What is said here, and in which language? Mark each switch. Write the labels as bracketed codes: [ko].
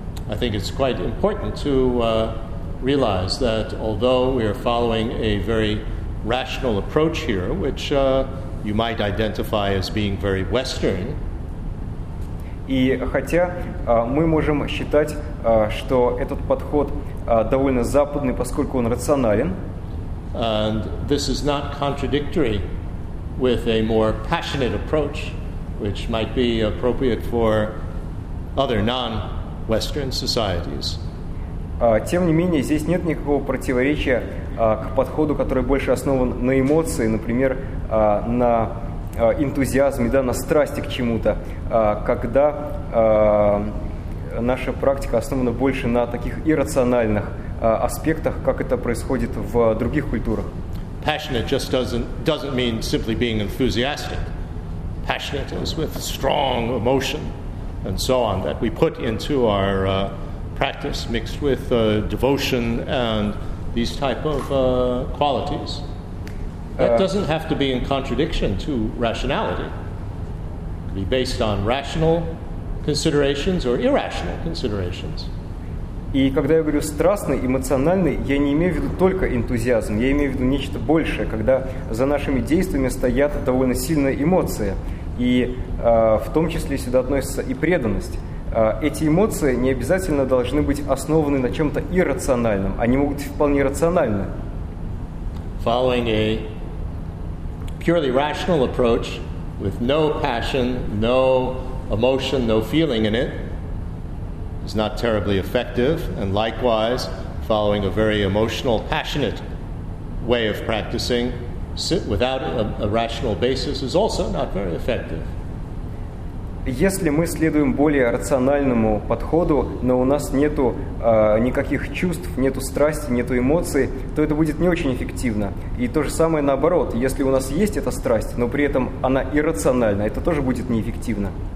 [en] I think it's quite important to realize that although we are following a very rational approach here, which you might identify as being very Western. [ru] И хотя мы можем считать, что этот подход довольно западный, поскольку он рационален. [en] And this is not contradictory with a more passionate approach, which might be appropriate for other non-Western societies. [ru] Тем не менее, здесь нет никакого противоречия к подходу, который больше основан на эмоции, например, на энтузиазме, да, на страсти к чему-то, когда наша практика основана больше на таких иррациональных аспектах, как это происходит в других культурах. [en] Passionate just doesn't mean simply being enthusiastic. Passionate is with strong emotion and so on that we put into our practice mixed with devotion and these type of qualities. That doesn't have to be in contradiction to rationality. It could be based on rational considerations or irrational considerations. [ru] И когда я говорю страстный, эмоциональный, я не имею в виду только энтузиазм, я имею в виду нечто большее, когда за нашими действиями стоят довольно сильные эмоции, и в том числе сюда относится и преданность. Эти эмоции не обязательно должны быть основаны на чем-то иррациональном, они могут быть вполне рациональны. [en] Following a purely rational approach with no passion, no emotion, no feeling in it is not terribly effective, and likewise, following a very emotional, passionate way of practicing without a rational basis is also not very effective. [ru] Если мы следуем более рациональному подходу, но у нас нету никаких чувств, нету страсти, нету эмоций, то это будет не очень эффективно. И то же самое наоборот, если у нас есть эта страсть, но при этом она иррациональна, это тоже будет неэффективно.